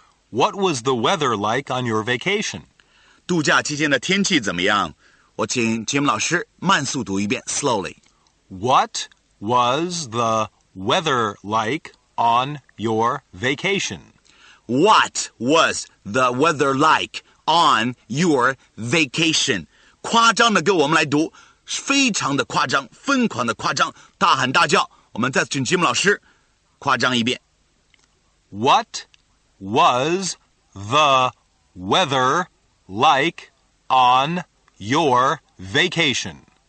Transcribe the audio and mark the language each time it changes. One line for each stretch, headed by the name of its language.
English: What was the weather like on your vacation?
Chinese: 度假期间的天气怎么样？我请 Jim 老师慢速读一遍 ，slowly.
English: What was the weather like on your vacation? What was the weather like on your vacation?
Chinese: 夸张的歌我们来读，非常的夸张，疯狂的夸张，大喊大叫。我们再请 Jim 老师夸张一遍。
English: What was the weather? Like on your vacation.